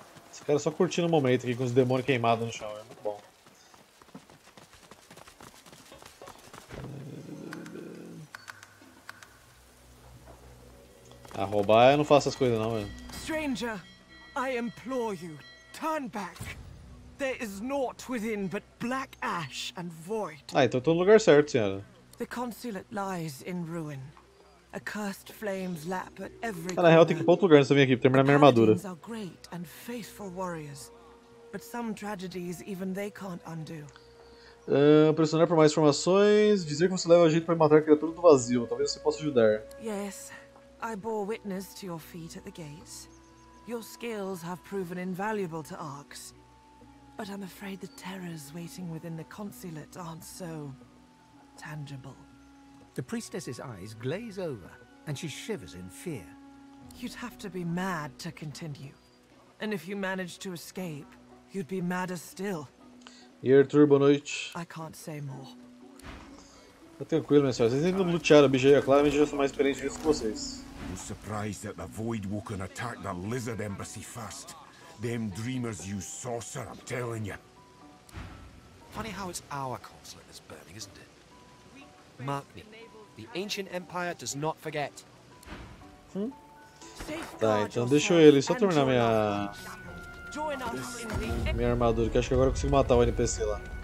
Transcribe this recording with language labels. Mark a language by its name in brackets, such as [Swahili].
[Portuguese] Esse cara só curtindo o momento aqui com os demônios queimados no chão. A roubar, eu não faço as coisas não, velho. [English] Stranger, I implore you, turn back. There is naught within but black ash and void. [Portuguese] Ah, então tô no lugar certo, senhora. [English] The consulate lies in ruin. Accursed flames lap at every. [Portuguese] Na real, tem que ir pra outro lugar antes de vir aqui pra terminar minha armadura. [English] The are great and faithful warriors, but some tragedies even they can't undo. [Portuguese] Pressionar por mais informações. Dizer que você leva jeito para matar a criatura do vazio. Talvez você possa ajudar. [English] Yes, I bore witness to your feat at the gates. Your skills have proven invaluable to Arx. But I'm afraid the terrors waiting within the consulate aren't so tangible. The priestess's eyes glaze over, and she shivers in fear. You'd have to be mad to continue. And if you managed to escape, you'd be madder still. [Portuguese] E Arthur, boa noite. [English] I can't say more. [Portuguese] Tá tranquilo, minha senhora. Vocês ainda não lutearam, bicho aí, é claro, eu já sou mais experiente disso que vocês. [English] I'm surprised that the Voidwoken attacked the Lizard Embassy first. Them dreamers use saucer, I'm telling you. Funny how it's our consulate that's burning, isn't it? Mark me, the ancient empire does not forget. [Portuguese] Tá, então deixa ele só terminar minha armadura, que acho que agora eu consigo matar o NPC lá.